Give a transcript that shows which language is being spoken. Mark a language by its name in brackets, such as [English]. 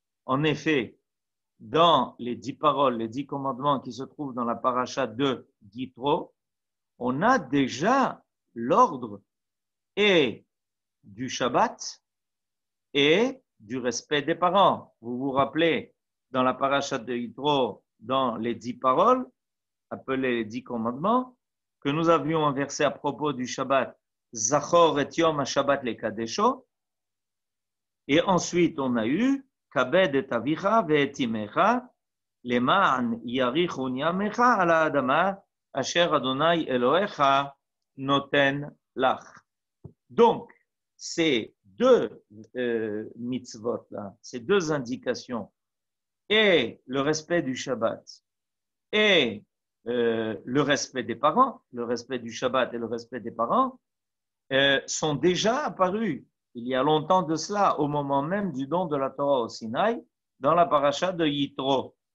[French] En effet, dans les 10 paroles, les 10 commandements qui se trouvent dans la paracha de Yitro, on a déjà l'ordre et du Shabbat et du respect des parents. Vous vous rappelez, dans la paracha de Yitro, dans les 10 paroles, appelées les 10 commandements, que nous avions un verset à propos du Shabbat, « [Hebrew] Zachor et Yom HaShabbat le Kadesho [French] » et ensuite on a eu [Hebrew] כבד את אביך ואת אמך, למען יאריכון ימיך על האדמה אשר אדוני אלוהיך נותן לך. [French] Donc, ces deux mitzvot-là, ces deux indications, et le respect du Shabbat, et le respect des parents, le respect du Shabbat et le respect des parents, sont déjà apparus il y a longtemps de cela, au moment même du don de la Torah au Sinaï, dans la paracha de Yitro.